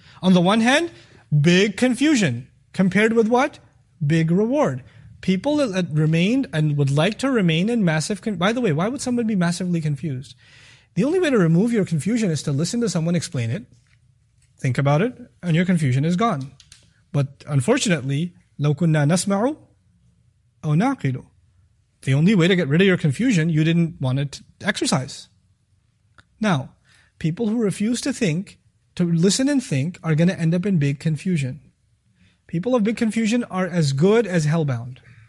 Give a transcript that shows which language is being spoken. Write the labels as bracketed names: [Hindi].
[English] On the one hand, big confusion. Compared with what? Big reward. People that remained and would like to remain in massive... By the way, why would someone be massively confused? The only way to remove your confusion is to listen to someone explain it, think about it, and your confusion is gone. But unfortunately, [Arabic] لَوْ كُنَّا نَسْمَعُ أَوْ نَعْقِلُ. [English] The only way to get rid of your confusion, you didn't want it to exercise. Now, people who refuse to think, to listen and think, are going to end up in big confusion. People of big confusion are as good as hellbound.